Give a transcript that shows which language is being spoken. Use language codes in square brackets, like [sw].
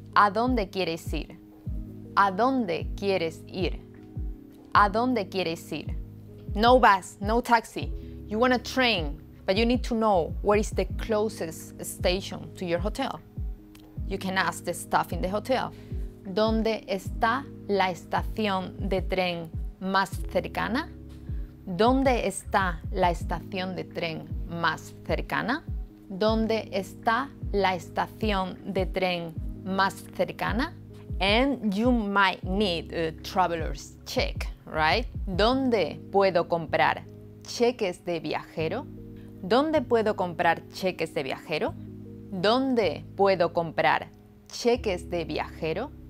[es] ¿A dónde quieres ir? ¿A dónde quieres ir? ¿A dónde quieres ir? [en] No bus, no taxi. You want a train, but you need to know where is the closest station to your hotel. You can ask the staff in the hotel. [es] ¿Dónde está la estación de tren más cercana? ¿Dónde está la estación de tren más cercana? ¿Dónde está la estación de tren más cercana? [en] And you might need a traveler's check, right? [es] ¿Dónde puedo comprar cheques de viajero? ¿Dónde puedo comprar cheques de viajero? ¿Dónde puedo comprar cheques de viajero?